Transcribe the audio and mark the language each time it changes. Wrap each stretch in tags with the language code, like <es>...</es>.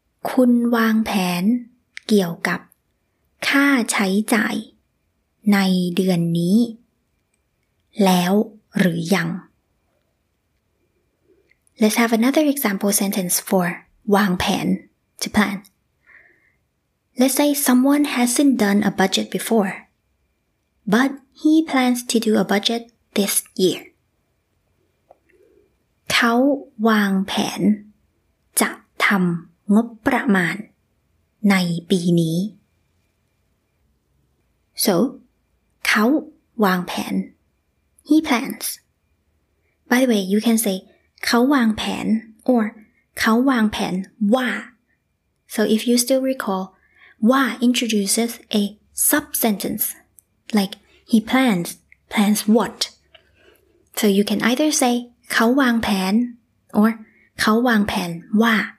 <th>คุณวางแผนเกี่ยวกับค่าใช้จ่ายในเดือนนี้แล้วหรือยัง</th> <en>Let's have another example sentence for wang pan, to plan. Let's say someone hasn't done a budget before, but he plans to do a budget this year.</en> <th>เขาวางแผนจะทำงบประมาณในปีนี้</th> <en>So,</en> <th>เขาวางแผน</th> <en>He plans. By the way, you can say,เขาวางแผน or เขาวางแผนว่า so if you still recall ว่า introduces a sub sentence like he plans what so you can either say เขาวางแผน or เขาวางแผนว่า</en>